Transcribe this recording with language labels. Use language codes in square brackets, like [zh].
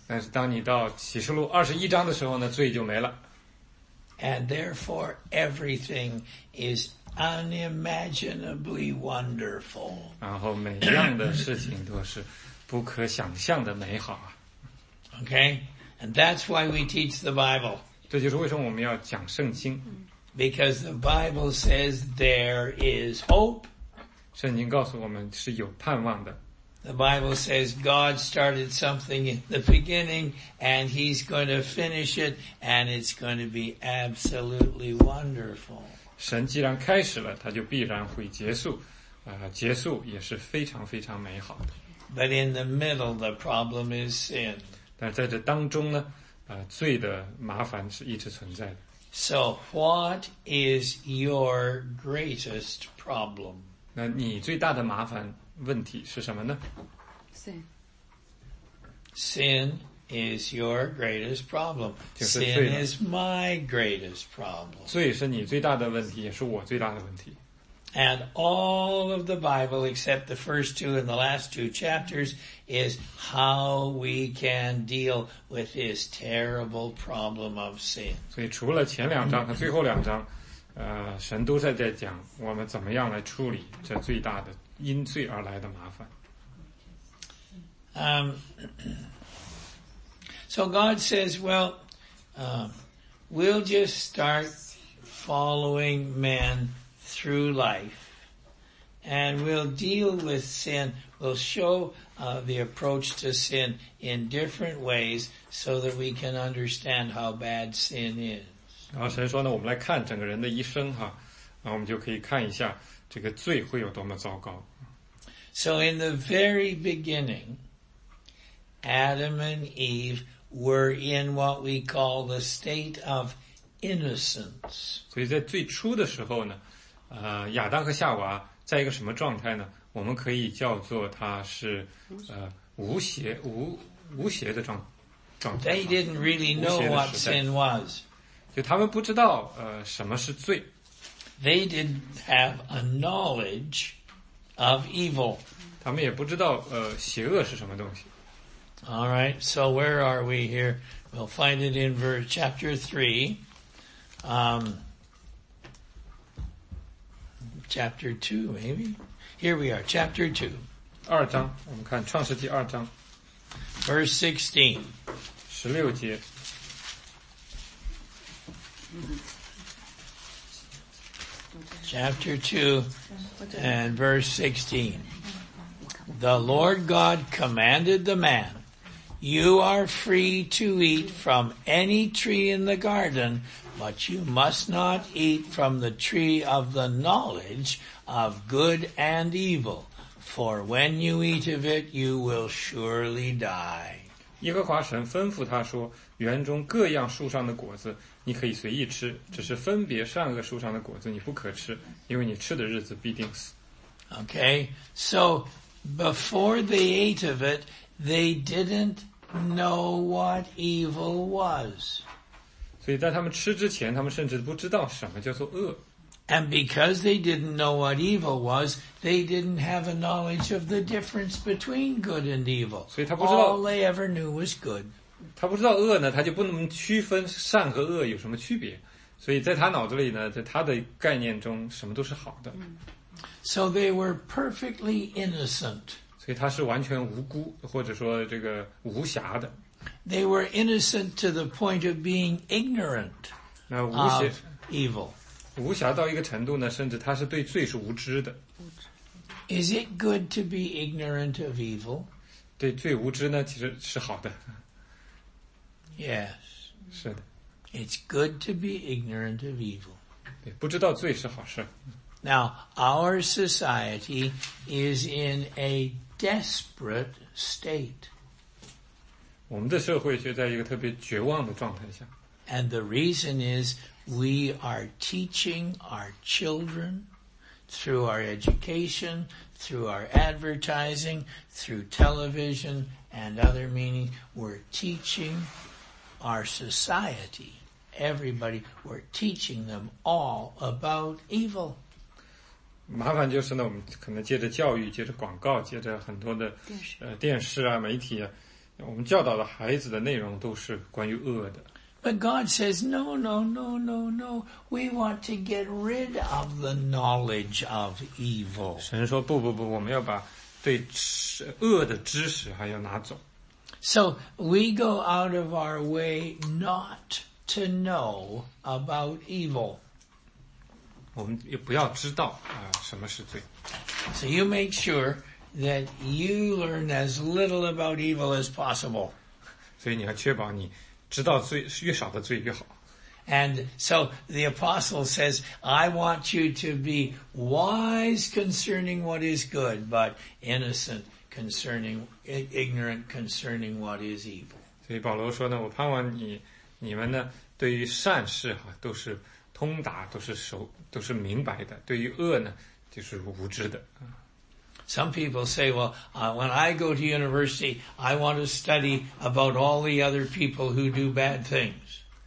[zh] 但是当你到启示录二十一章的时候呢，罪就没了。 [en] And therefore, everything is unimaginably wonderful. [zh] 然后每样的事情都是不可想象的美好啊。 [en] Okay, and that's why we teach the Bible. [zh] 这就是为什么我们要讲圣经。 [en] Because the Bible says there is hope. [zh] 圣经告诉我们是有盼望的。 [en] The Bible says God started something in the beginning and he's going to finish it and it's going to be absolutely wonderful. [zh] 神既然开始了，他就必然会结束，结束也是非常非常美好的。 [en] But in the middle, the problem is sin. [zh] 但在这当中呢，罪的麻烦是一直存在的。 [en] So what is your greatest problem? [zh] 那你最大的麻烦问题是什么呢？ [en] Sin is your greatest problem. Sin is my greatest problem. [zh] 罪是你最大的问题，也是我最大的问题。 [en] And all of the Bible except the first two and the last two chapters is how we can deal with this terrible problem of sin. [zh] 所以除了前两章和最后两章，神都在讲我们怎么样来处理这最大的因罪而来的麻烦。 [en] So God says, well, we'll just start following men through life. And we'll deal with sin. We'll show, the approach to sin in different ways so that we can understand how bad sin is. [zh] 然后神说呢，我们来看整个人的一生哈，然后我们就可以看一下这个罪会有多么糟糕。 [en] So in the very beginning, Adam and Eve were in what we call the state of innocence. [zh] 所以在最初的时候呢，亚当和夏娃在一个什么状态呢？我们可以叫做他是无邪的状态。 [en] They didn't really know what sin was. [zh] 就他们不知道什么是罪。 [en] They didn't have a knowledge of evil. [zh] 他们也不知道邪恶是什么东西。 [en] All right, so where are we here? We'll find it in verse chapter 3. Chapter 2, maybe? Here we are, chapter 2. [zh] 二章，我们看创世纪二章。 [en] Verse 16. [zh] 十六节。 [en] Chapter 2 and verse 16. The Lord God commanded the man, you are free to eat from any tree in the garden, but you must not eat from the tree of the knowledge of good and evil. For when you eat of it, you will surely die. [zh] 耶和华神吩咐他说，园中各样树上的果子你可以随意吃，只是分别善恶树上的果子你不可吃，因为你吃的日子必定死。 [en] Okay, so before they ate of it, they didn't know what evil was. [zh] 所以在他们吃之前，他们甚至不知道什么叫做恶。 [en] And because they didn't know what evil was, they didn't have a knowledge of the difference between good and evil. [zh] 所以他不知道。 [en] All they ever knew was good. [zh] 他不知道恶呢，他就不能区分善和恶有什么区别。所以在他脑子里呢，在他的概念中，什么都是好的。 [en] So they were perfectly innocent. [zh] 所以他是完全无辜，或者说这个无暇的。 [en] They were innocent to the point of being ignorant of evil. [zh] 无暇到一个程度呢，甚至他是对罪是无知的。 [en] Is it good to be ignorant of evil? [zh] 对罪无知呢，其实是好的。 [en] Yes. [zh] 是的。 [en] It's good to be ignorant of evil. [zh] 对，不知道罪是好事。 [en] Now, our society is in a desperate state. [zh] 我们的社会却在一个特别绝望的状态下。 [en] And the reason is we are teaching our children through our education, through our advertising, through television and other meaning. We're teaching our society, everybody, we're teaching them all about evil. [zh] 麻烦就是呢，我们可能借着教育，借着广告，借着很多的电视啊，媒体啊，我们教导的孩子的内容都是关于恶的。 [en] But God says, no, no, no, no, no. We want to get rid of the knowledge of evil. [zh] 神说不不不，我们要把对恶的知识还要拿走。 [en] So we go out of our way not to know about evil. [zh] 我们也不要知道啊，什么是罪。 [en] So you make sure that you learn as little about evil as possible. [zh] 所以你要确保你知道罪越少的罪越好。 [en] And so the apostle says, I want you to be wise concerning what is good, but innocent concerning, ignorant concerning what is evil. [zh] 所以保罗说呢，我盼望你们呢，对于善事啊，都是通达，都是明白的，对于恶呢，就是无知的。 [en] Some people say, well, when I go to university, I want to study about all the other people who do bad things.